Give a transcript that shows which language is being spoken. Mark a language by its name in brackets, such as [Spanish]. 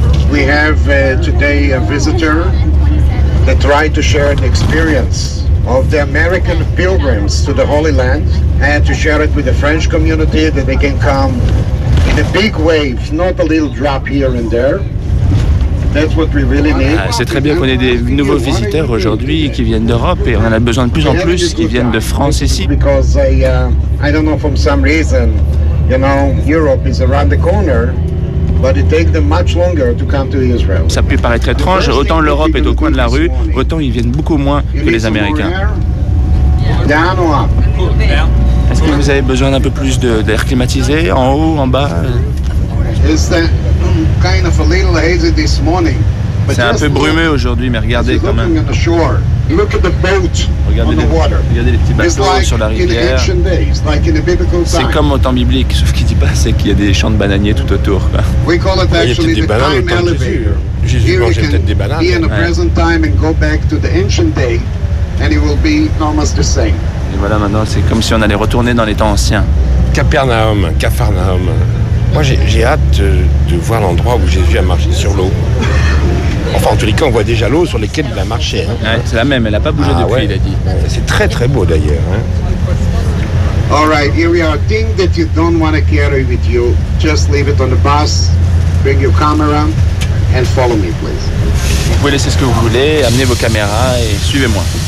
[English] We have today a visitor that tried to share an experience of the American pilgrims to the Holy Land and to share it with the French community, that they can come in a big wave, not a little drop here and there. That's what we really need. [French] Ah, c'est très bien qu'on ait des nouveaux visiteurs aujourd'hui qui viennent d'Europe, et on en a besoin de plus en plus qui viennent de France ici. [English] Because I don't know, for some reason, you know, Europe is around the corner. But it takes them much longer to come to Israel. [French] Ça peut paraître étrange, autant l'Europe est au coin de la rue, autant ils viennent beaucoup moins que les Américains. [English] Down or up? [French] Est-ce que vous avez besoin d'un peu plus d'air climatisé, en haut, en bas? C'est un peu brumeux aujourd'hui, mais regardez quand même. [English] Look at the boat on the water. [French] Regardez les petits bateaux sur la rivière. C'est comme au temps biblique, sauf qu'il dit pas c'est qu'il y a des champs de bananiers tout autour. [English] We call it actually the time elevator. [French] Jésus mangeait peut-être des bananes. [English] Here we can be in the present time and go back to the ancient day, and it will be almost the same. [French] Et voilà, maintenant c'est comme si on allait retourner dans les temps anciens. Capernaum. Moi j'ai hâte de voir l'endroit où Jésus a marché sur l'eau. Enfin, en tous les cas, on voit déjà l'eau sur lesquelles il a marché. Hein. Ouais, c'est la même, elle n'a pas bougé depuis, il a dit. Ouais, c'est très très beau d'ailleurs. Hein. [English] All right, here we are. Thing that you don't want to carry with you, just leave it on the bus, bring your camera and follow me, please. [French] Vous pouvez laisser ce que vous voulez, amenez vos caméras et suivez-moi.